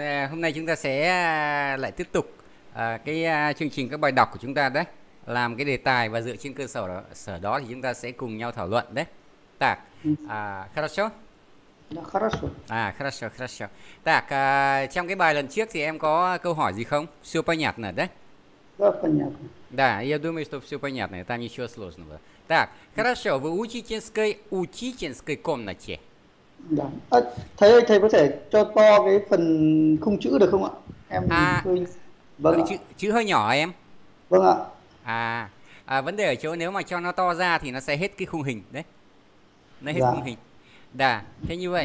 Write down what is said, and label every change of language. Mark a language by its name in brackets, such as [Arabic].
[Vietnamese] Hôm nay chúng ta sẽ lại tiếp tục cái chương trình các bài đọc của chúng ta đấy, làm cái đề tài và dựa trên cơ sở đó thì chúng ta sẽ cùng nhau thảo luận đấy. [Russian] Tạc, хорошо. Хорошо. Хорошо. [Vietnamese] Tạc, trong cái bài lần trước thì em có câu hỏi gì không? [Russian] Все понятно, да? Да, понятно. Да, я думаю, что все понятно, там ничего сложного. Так, хорошо, вы учительской комнате. Да. [Vietnamese] Thầy có thể cho to cái phần khung chữ được không ạ? Em hơi Chữ, chữ hơi nhỏ em. vâng ạ. Vấn đề ở chỗ nếu mà cho nó to ra thì nó sẽ hết cái khung hình đấy. Nó hết khung Dạ. hình. Đà, thế như vậy